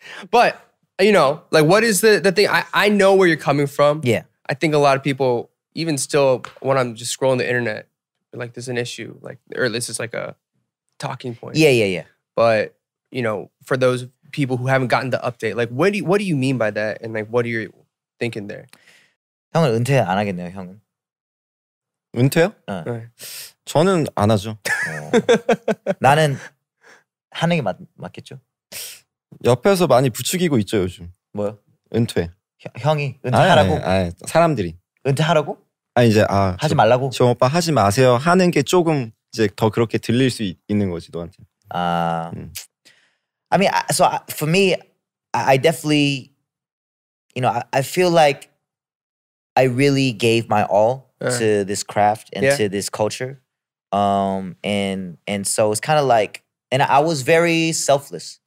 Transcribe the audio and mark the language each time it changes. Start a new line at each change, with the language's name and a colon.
English: But, you know, like what is the thing? I know where you're coming from. Yeah. I think a lot of people, even still when I'm just scrolling the internet, like there's an issue. Like, or this is like a talking point. Yeah, yeah, yeah. But, you know, for those… people who haven't gotten the update. Like, what do you mean by that? And like, what are you thinking there?
Korean: 형은 은퇴 안 하겠네요, 형은. 은퇴요? 네. 저는 안 하죠. 나는 하는 게 맞겠죠? 옆에서 많이 부추기고 있죠, 요즘. 뭐요? 은퇴. 형이 은퇴하라고? 아니, 사람들이. 은퇴하라고? 아니, 이제 아… 하지 말라고? 저 오빠 하지 마세요. 하는 게 조금 이제 더 그렇게 들릴 수 있는 거지, 너한테.
English: 아… I mean, so for me, I definitely, you know, I feel like I really gave my all to this craft and to this culture. And so it's kind of like, and I was very selfless.